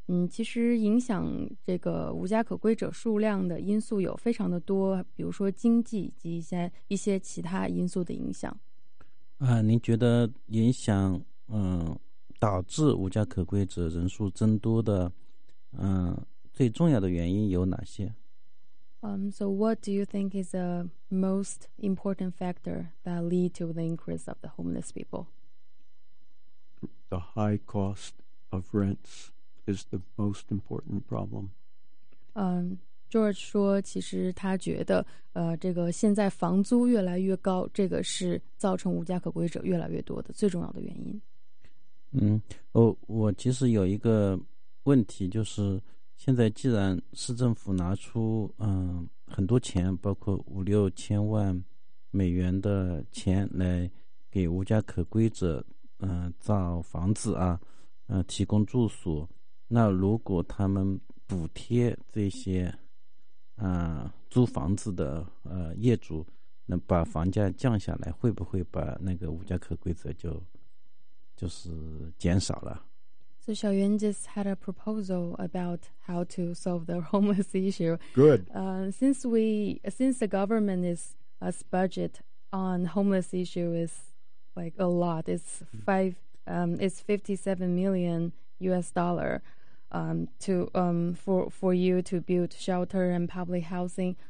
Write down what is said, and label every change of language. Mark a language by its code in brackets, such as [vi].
[zh] 其实影响这个无家可归者数量的因素有非常的多，比如说经济以及一些其他因素的影响。您觉得影响导致无家可归者人数增多的最重要的原因有哪些？ [en] So what do you think is the most important factor that lead to the increase of the homeless people? The high cost of rents is the most important problem. [zh] George 说其实他觉得这个现在房租越来越高，这个是造成无家可归者越来越多的最重要的原因。我其实有一个问题，就是现在既然市政府拿出很多钱，包括5-6千万美元的钱来给无家可归者造房子啊，提供住宿，那如果他们补贴这些租房子的业主，那把房价降下来，会不会把那个无家可归者就是减少了？ [en] So Xiaoyuan just had a proposal about how to solve the homeless issue. Good. Since the government is budget on homeless issue is like a lot. It's 57 million US dollar for you to build shelter and public housing.